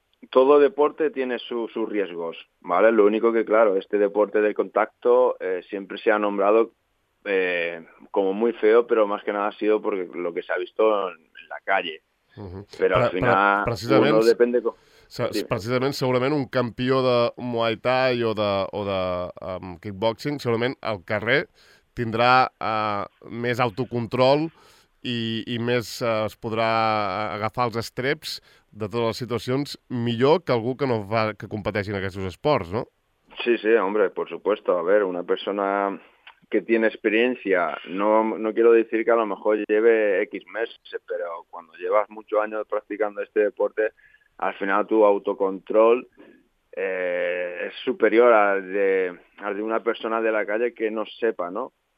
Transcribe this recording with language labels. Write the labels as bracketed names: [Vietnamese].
[Spanish] Todo deporte tiene sus riesgos, ¿vale? Lo único que, claro, este deporte de contacto siempre se ha nombrado como muy feo, pero más que nada ha sido porque lo que se ha visto en la calle. Uh-huh. Pero al final, precisament, uno depende... [Catalan] Precisament, segurament, un campió de Muay Thai o de kickboxing, segurament al carrer tindrà més autocontrol i més es podrà agafar els estreps de totes les situacions millor que algú que no fa que competeixin aquests esports, no? [Spanish] Sí, sí, hombre, por supuesto. A ver, una persona que tiene experiencia, no quiero decir que a lo mejor lleve X meses, pero cuando llevas muchos años practicando este deporte, al final tu autocontrol es superior al de una persona de la calle que no sepa, ¿no?